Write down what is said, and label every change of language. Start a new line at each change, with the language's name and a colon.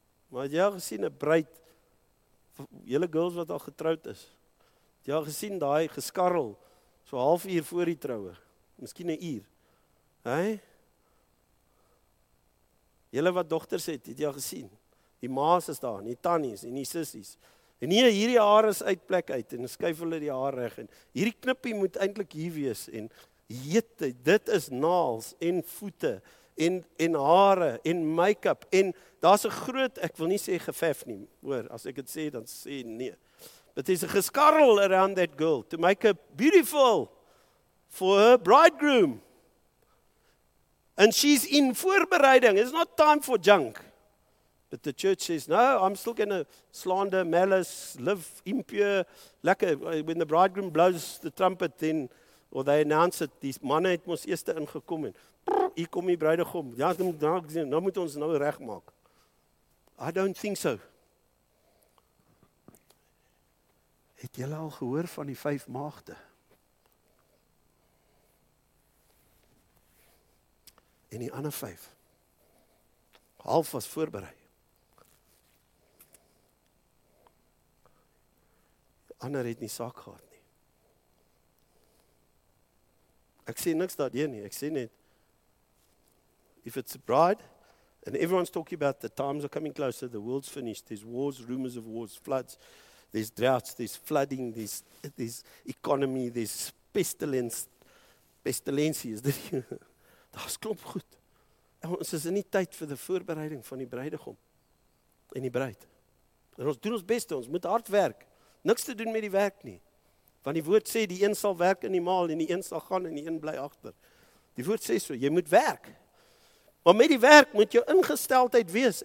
Afrikaans: Maar jy al gesien 'n bruid, julle girls wat al getroud is, jy al gesien die geskarrel, so half uur voor die troue, miskien 'n uur, hey? Julle wat dogters het, het jy al gesien. Die ma's is daar, die tannies en die sissies. En hier, hierdie haar is uit plek uit en skuif hulle die haar reg. En hierdie knippie moet eintlik hier wees. En jete, dit is naals en voete en hare en make-up. En daar's 'n groot, ek wil nie sê gevef nie, hoor, as ek het sê, dan sê nee.
English: But there's a geskarrel around that girl to make her beautiful for her bridegroom. And she's in voorbereiding. It's not time for junk. But the church says, no, I'm still going to slander, malice, live impure. Like when the bridegroom blows the trumpet, then, or they announce it,
Afrikaans: die manne het ons eerste ingekom en, hier kom die bruidegom. Ja, nou moet ons nou reg maak.
English: I don't think so.
Afrikaans: Het jy al gehoor van die vyf maagde? En die ander vyf. Half was voorberei. Die ander het nie saak gehad nie. Ek sê niks daardie nie. Ek sê net,
English: if it's a bride, and everyone's talking about the times are coming closer, the world's finished, there's wars, rumors of wars, floods, there's droughts, there's flooding, there's economy, there's pestilence,
Afrikaans: is dit nie? Daar's klomp goed. En ons is in die tyd vir die voorbereiding van die bruidegom en die bruid. En ons doen ons beste, ons moet hard werk. Niks te doen met die werk nie. Want die woord sê, die een sal werk in die maal en die een sal gaan en die een bly agter. Die woord sê so, jy moet werk. Maar met die werk moet jou ingesteldheid wees.